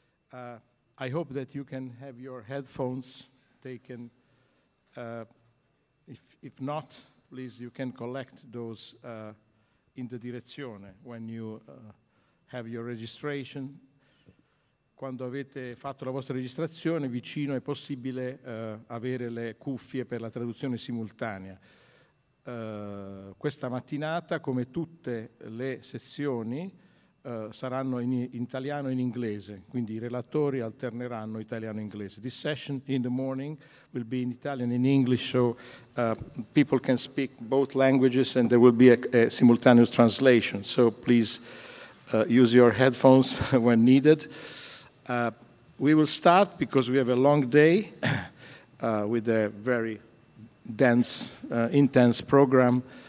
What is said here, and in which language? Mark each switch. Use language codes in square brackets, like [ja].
[en] I hope that you can have your headphones taken. If not, please, you can collect those in the direzione when you have your registration. [it] Quando avete fatto la vostra registrazione, vicino è possibile avere le cuffie per la traduzione simultanea. Questa mattinata, come tutte le sessioni, saranno in italiano e in inglese, quindi I relatori alterneranno italiano e inglese. [en] This session in the morning will be in Italian and English, so people can speak both languages and there will be a simultaneous translation. So please use your headphones when needed. We will start because we have a long day with a very dense, intense program.